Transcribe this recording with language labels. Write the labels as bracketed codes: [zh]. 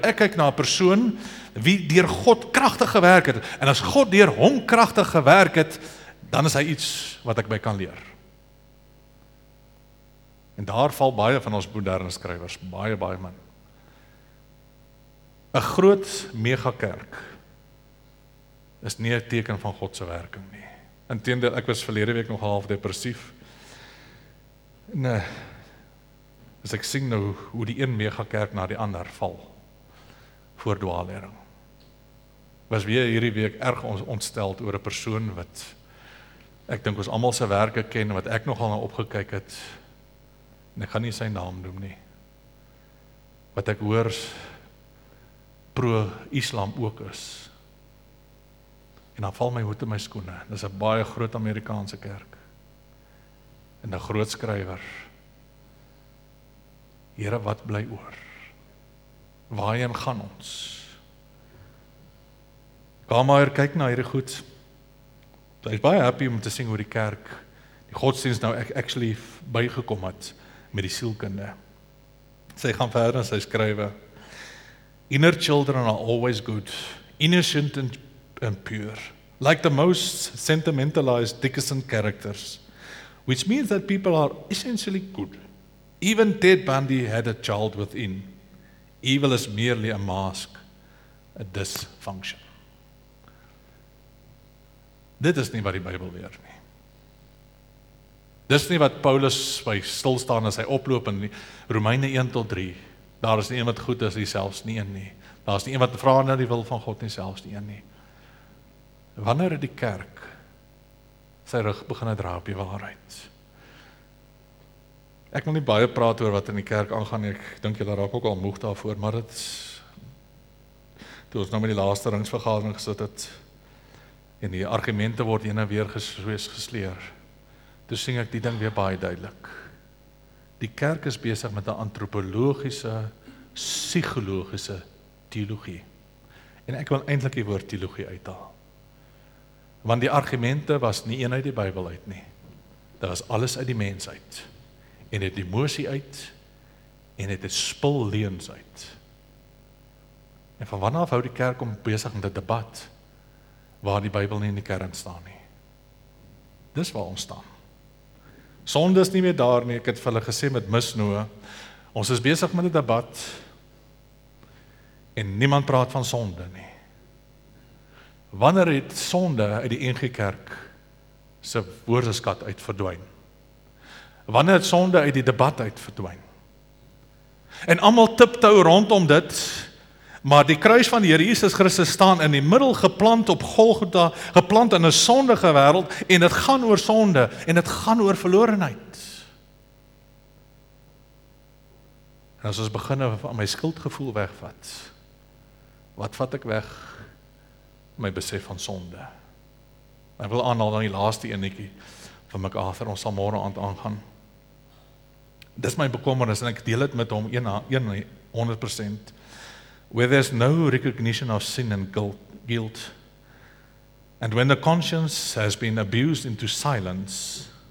[af] Ek kyk na 'n persoon wie deur God kragtig gewerk het, en as God deur hom kragtig gewerk het, dan is hy iets wat ek by kan leer. En daar val baie van ons moderne skrywers, baie, baie min. 'n Groot megakerk is nie 'n teken van God se werking nie. Inteendeel, ek was verlede week nog half depressief. Nee, as ek sien nou hoe die een megakerk na die ander val voor dwaalering. Was weer hierdie week erg ontsteld oor 'n persoon wat ek dink ons almal se werke ken wat ek nogal na opgekyk het. En ek gaan nie sy naam noem nie. Wat ek hoor pro-Islam ook is. En dan val my hoed in my skoene. Dit is 'n baie groot Amerikaanse kerk. En 'n groot skrywer. Here, wat bly oor? Waarheen gaan ons? Kamaier kyk na hierdie goed. Hy is baie happy om te sien hoe die kerk, die godsdienst nou actually bygekom het met die sielkunde. Sy gaan verder en sy skrywe. [en] Inner children are always good, innocent and pure, like the most sentimentalized Dickinson characters, which means that people are essentially good. Even Ted Bundy had a child within. Evil is merely a mask, a dysfunction. [af] Dit is nie wat die Bybel leer nie. Dis nie wat Paulus by stilstaan as hy oploop in Romeine 1-3. Daar is nie een wat goed is, hy selfs nie een nie. Daar is nie een wat vra na die wil van God nie, selfs nie een nie. Wanneer het die kerk sy rug begin dra op die waarheid? Ek wil nie baie praat oor wat in die kerk aangaan, ek dink jy raak ook al moeg daarvoor, maar het, toe ons nou met die laaste ringsvergadering gesit het, en die argumente word heen en weer gesleer, toe sien ek die ding weer baie duidelik. Die kerk is besig met 'n antropologiese, psigologiese teologie. En ek wil eintlik die woord teologie uithaal. Want die argumente was nie een uit die Bybel uit nie. Dit was alles uit die mens uit. En het emosie uit, en het spul leens uit. En van wanneer af hou die kerk om besig met 'n debat, waar die Bybel nie in die kern staan nie. Dis waar ons staan. Sonde is nie meer daar nie, ek het vir hulle gesê met mis Noa, ons is besig met 'n debat, en niemand praat van sonde nie. Wanneer het sonde uit die NG Kerk se woordeskat uit verdwyn? Wanneer het sonde uit die debat uit verdwyn? En almal tiptou rondom dit, maar die kruis van die Here Jesus Christus staan in die middel geplant op Golgotha, geplant in 'n sondige wêreld, en dit gaan oor sonde, en dit gaan oor verlorenheid. En as ons begin om my skuldgevoel wegvat, wat vat ek weg? My besef van sonde. Ek wil aanhaal dan die laaste eenetjie van MacArthur, ons sal môre aand aangaan. Dis my bekommernis, en ek deel dit met hom 100%. [en] Where there's no recognition of sin and guilt, and when the conscience has been abused into silence,